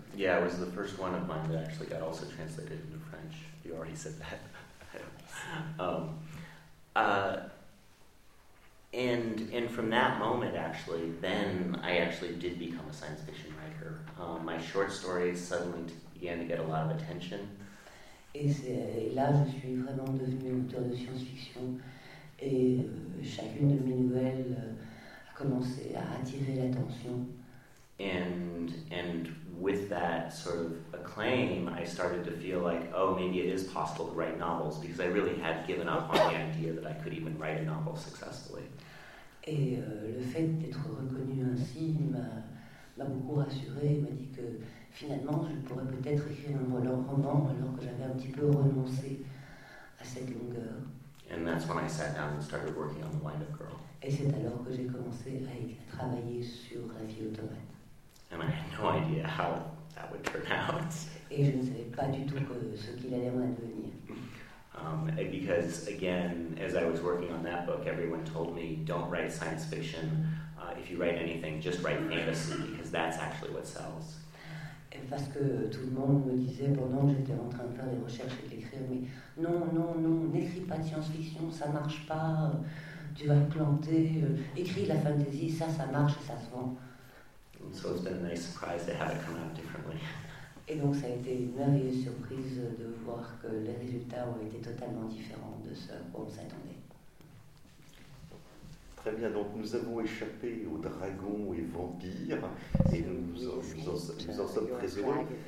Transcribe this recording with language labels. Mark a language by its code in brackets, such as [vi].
[en] Yeah, it was the first one of mine that actually got also translated into French. You already said that. and from that moment, actually, then I actually did become a science fiction writer. My short stories suddenly began to get a lot of attention. [fr] Et là, je suis vraiment devenue auteur de science-fiction, et chacune de mes nouvelles a commencé à attirer l'attention. [en] And with that sort of acclaim, I started to feel like, oh, maybe it is possible to write novels, because I really had given up on the idea that I could even write a novel successfully. [fr] Et le fait d'être reconnu ainsi m'a beaucoup rassuré, m'a dit que finalement je pourrais peut-être écrire un roman alors que j'avais un petit peu renoncé à cette longueur. [en] And that's when I sat down and started working on The Wind-Up Girl. [fr] Et c'est alors que j'ai commencé à travailler sur La Fille aux Tomates. [en] And I had no idea how that would turn out. [fr] Et je ne savais pas du tout ce qu'il allait en advenir. [en] Because again, as I was working on that book, everyone told me, don't write science fiction. If you write anything, just write fantasy, because that's actually what sells. [fr] Et parce que tout le monde me disait pendant que j'étais en train de faire des recherches et de l'écrire, mais non, n'écris pas de science-fiction, ça marche pas. Tu vas te planter. Écris la fantasy, ça marche et ça se vend. [en] So it's been a nice surprise to have it come out differently. [fr] Et donc ça a été une merveilleuse surprise de voir que les résultats ont été totalement différents de ce qu'on s'attendait. Très bien, donc nous avons échappé aux dragons et vampires, et nous en sommes très heureux.